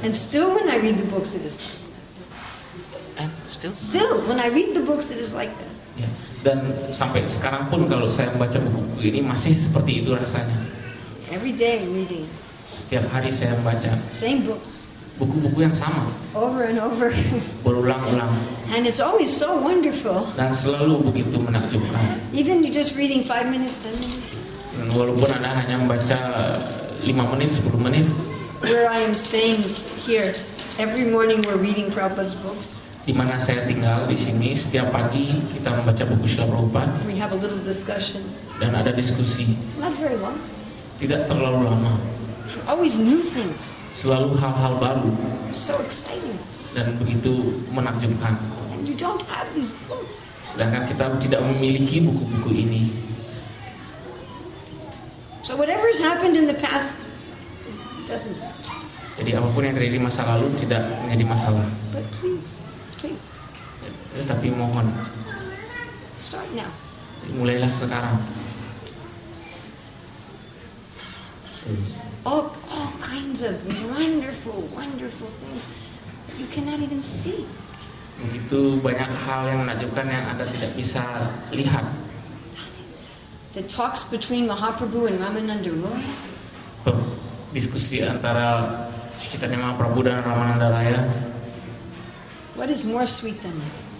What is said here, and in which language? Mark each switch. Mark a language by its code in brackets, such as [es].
[en] And still when I read the books it is. And still? Still when I read the books it is like that. Yeah. [id] Dan sampai sekarang pun kalau saya membaca buku-buku ini masih seperti itu rasanya. [en] Every day I'm reading. [id] Setiap hari saya membaca. [en] Same books. [id] Buku-buku yang sama. [en] Over and over. [id] Berulang-ulang. [en] And it's always so wonderful. [id] Dan selalu begitu menakjubkan. [en] Even you just reading 5 minutes, 10 minutes. [id] Walaupun Anda hanya membaca 5 menit, 10 menit. [en] Where I am staying here, every morning we're reading Prabhupada's books. [id] Di mana saya tinggal di sini, setiap pagi kita membaca buku Srila Prabhupada. [en] We have a little discussion. [id] Dan ada diskusi. [en] Not very long. [id] Tidak terlalu lama. [en] Always new things. [id] Selalu hal-hal baru. [en] So exciting. [id] dan begitu menakjubkan. [en] And you don't have these books. [id] Sedangkan kita tidak memiliki buku-buku ini. [en] So whatever has happened in the past, it doesn't. [id] Jadi apapun yang terjadi masa lalu tidak menjadi masalah. [en] But please. [id] Tapi mohon. [en] Start now. [id] Mulailah sekarang. [en] All kinds of wonderful things you cannot even see. [id] Begitu banyak hal yang menakjubkan yang Anda tidak bisa lihat. [en] The talks between Mahaprabhu and Ramananda Roy. [id] Diskusi antara Chaitanya Mahaprabhu dan Ramananda Raya. [en] What is more sweet than that?